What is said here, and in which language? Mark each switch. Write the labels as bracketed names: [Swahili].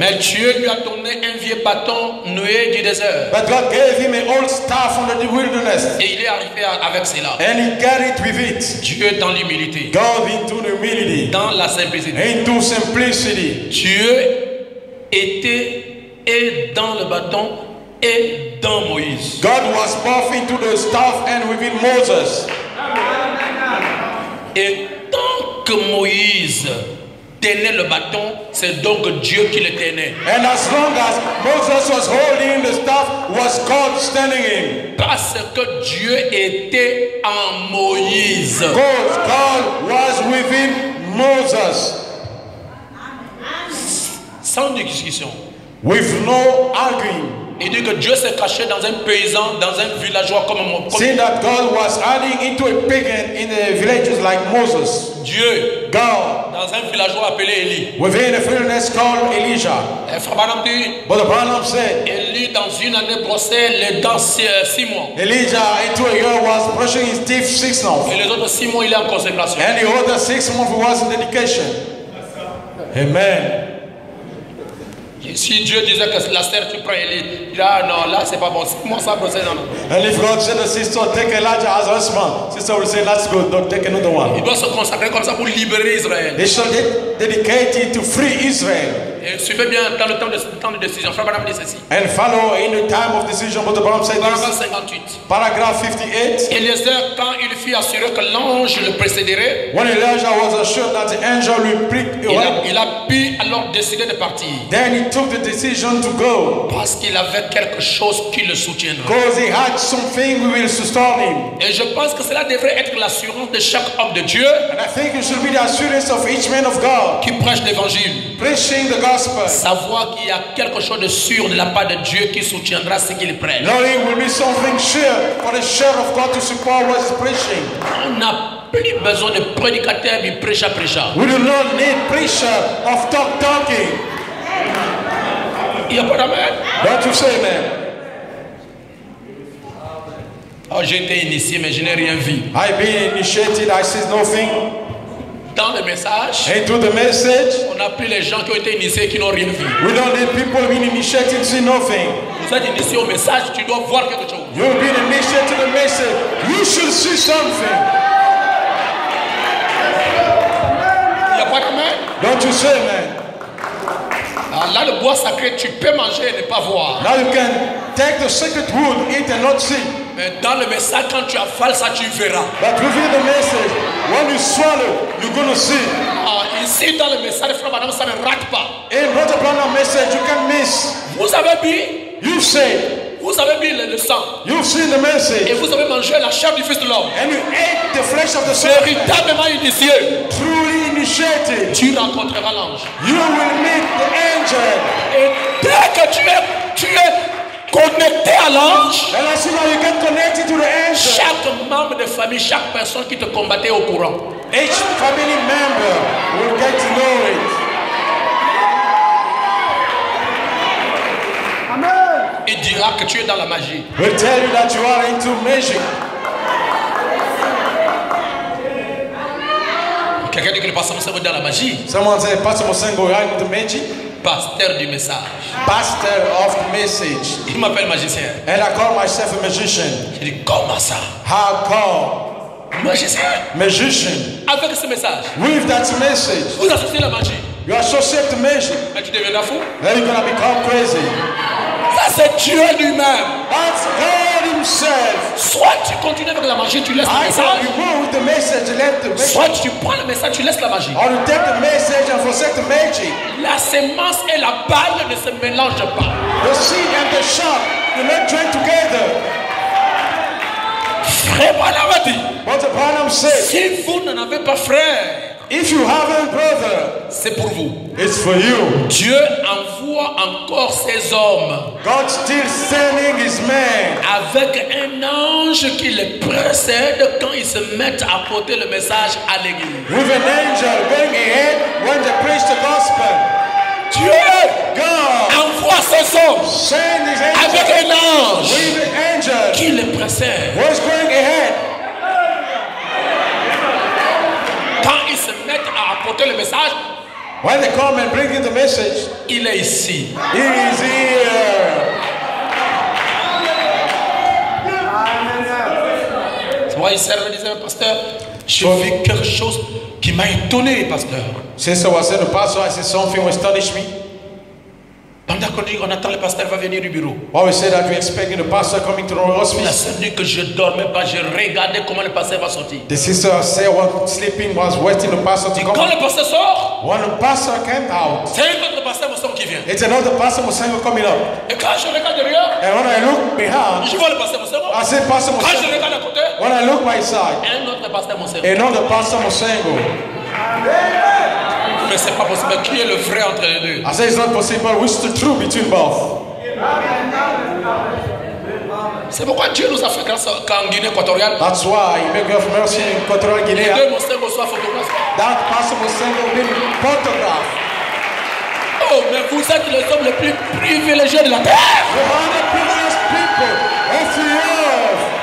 [French] Mais Dieu lui a donné un vieux bâton noué du désert. [English] But God gave him an old staff from the wilderness. [French] Et il est arrivé avec cela. [English] And he carried with it. [French] Dieu dans l'humilité. [English] God into humility. [French] Dans la simplicité. [English] Into simplicity. [French] Dieu était et dans le bâton. Et dans Moïse. [English] God was both into the staff and within Moses. [French] Et tant que Moïse tenait le bâton, c'est donc Dieu qui le tenait. [English] And as long as Moses was holding the staff, was God standing him. [French] Parce que Dieu était en Moïse. [English] Because God was within Moses. [French] Sans discussion. [English] With no arguing. [French] Il dit que Dieu s'est caché dans un paysan, dans un villageois comme Moïse. [English] Seeing that God was hiding into a pagan in the villages like Moses. [French] Dieu. [English] God. [French] Dans un villageois appelé Élie. [English] Within a wilderness called Elijah. [French] Et frère Branham dit. [English] But the Branham said. [French] Élie dans une année brossait les dents 6 mois. [English] Elijah into a year was brushing his teeth 6 months. [French] Et les autres 6 mois il est en consécration. [English] And the other 6 months was in dedication. Amen. [French] Si Dieu disait que la sœur tu prends Élie, il dit ah non là c'est pas bon, comment ça procède dans le. [English] And if God said to sister take Elijah as a husband, sister will say that's good, don't take another one. [French] Il doit se consacrer comme ça pour libérer Israël. [English] He shall get dedicated to free Israel. [French] Et suivez bien dans le temps de décision. Frère Branham dit ceci. [English] And follow in the time of decision, Brother Branham said this. [French] Paragraphe 58. [English] Paragraph 58. [French] Élisée quand il fut assuré que l'ange le précéderait. [English] When Elijah was assured that the angel would precede him. [French] Il a pu alors décider de partir. [English] Then he took the decision to go. [French] Parce qu'il avait quelque chose qui le soutiendrait. [English] Because he had something who will sustain him. [French] Et je pense que cela devrait être l'assurance de chaque homme de Dieu. [English] And I think it should be the assurance of each man of God. [French] Qui prêche l'Évangile. [English] Preaching the gospel. [French] Savoir qu'il y a quelque chose de sûr de la part de Dieu qui soutiendra ce qu'il prêche. [English] Knowing will be something sure for the share of God to support what is preaching. [French] On a plus besoin de prédicateurs du prêcha. [English] We do not need preacher of talking. [French] Il n'y a pas d'amen. [English] Don't you say amen? [French] Oh, j'ai été initié, mais je n'ai rien vu. [English] I've been initiated, I see nothing. [French] Dans le message, [English] into the message, [French] on a pris les gens qui ont été initiés qui n'ont rien vu. [English] We don't need people being initiated, see nothing. [French] Vous êtes initié au message, tu dois voir quelque chose. [English] You've been initiated to the message, you should see something. [French] Il n'y a pas d'amen? [English] Don't you say amen? [French] Là, le bois sacré, tu peux manger et ne pas voir. [English] Now you can take the sacred wood, eat and not see. [French] Mais dans le message, quand tu avales ça, tu verras. [English] But within the message, when you swallow, you're going to see. [French] Ici, dans le message, frère madame, ça ne rate pas. [English] In Brother Branham's message, you can miss. [French] Vous avez vu? [English] You say. [French] Vous avez vu le sang? [English] You've seen the message. [French] Et vous avez mangé la chair du Fils de l'homme? [English] And you ate the flesh of the Son. [French] Véritablement initié. [English] Truly initiated. [French] Tu rencontreras l'ange. [English] You will meet the angel. [French] Et dès que tu es connecté à l'ange. [English] And as soon as you get connected to the angel. [French] Chaque membre de famille, chaque personne qui te combattait au courant. [English] Each family member will get to know it. [French] Il dira que tu es dans la magie. [English] We'll tell you that you are into magic. [French] Quelqu'un dit que le pasteur Moussengo est dans la magie. [English] Someone said Pastor Moussengo is into magic. [French] Pasteur du message. [English] Pastor of the message. [French] Il m'appelle magicien. [English] And I call myself a magician. [French] Je dis comment ça? [English] How come? [French] Magicien. [English] Magician. [French] Avec ce message. [English] With that message. [French] Vous associez la magie. [English] You associate the magic. [French] Et tu deviendras fou. [English] Then you're gonna become crazy. [French] Ça c'est Dieu lui-même. [English] That's God himself. [French] Soit tu continues avec la magie, tu laisses le message. [English] You go with the message, let the magic. [French] Soit tu prends le message, tu laisses la magie. [English] Or you take the message and forsake the magic. [French] La semence et la balle ne se mélangent pas. [English] The seed and the shot, they're not joined together. [French] dit, [English] what Abraham said, [French] si vous n'en avez pas frère, [English] if you have a brother, [French] c'est pour vous. [English] It's for you. [French] Dieu envoie encore ses hommes. [English] God still sending his men. [French] Avec un ange qui les précède quand ils se mettent à porter le message à l'église. [English] With an angel going ahead when they preach the gospel. [French] Dieu, [English] God, [French] envoie ses hommes. [English] Send his angel [French] avec un ange. [English] With an angel [French] qui les précède. [English] Who is going ahead? [French] Quand ils se mettent à apporter le message, [English] when they come and bring in the message, [French] il est ici. [English] He is here. [French] Tu vois, il servait, disait le pasteur, j'ai vu quelque chose qui m'a étonné, pasteur. C'est ça, c'est le pasteur, c'est son film, [English] astonish me. [French] Pendant qu'on dit qu'on attend le pasteur va venir du bureau. [English] Oh, we said that we expecting the pastor coming to our office. [French] La sœur dit que je dormais pas, je regardais comment le pasteur va sortir. [English] The sister said while sleeping was waiting the pastor to come. [French] Quand le pasteur sort, [English] when the pastor came out, [French] c'est un autre pasteur Moussang qui vient. [English] It's another pastor Moussang coming up. [French] Et quand je regarde derrière, [English] and when I look behind, [French] je vois le pasteur Moussang. [English] I see pastor Moussang. [French] Quand je regarde à côté, [English] when I look my side, [French] un autre pasteur Moussang. [English] Another pastor Moussang. [French] Mais c'est pas possible. Qui est le vrai entre les deux? [English] I say it's not possible. Which is the truth between both? [French] C'est pourquoi Dieu nous a fait grâce en Guinée équatoriale. [English] That's why he made mercy in Equatorial Guinea. [French] Les deux Moussengo soient photographes. [English] That pastor Moussengo will be photographed. [French] Oh, mais vous êtes les hommes les plus privilégiés de la terre. [English] You are the privileged people of the earth.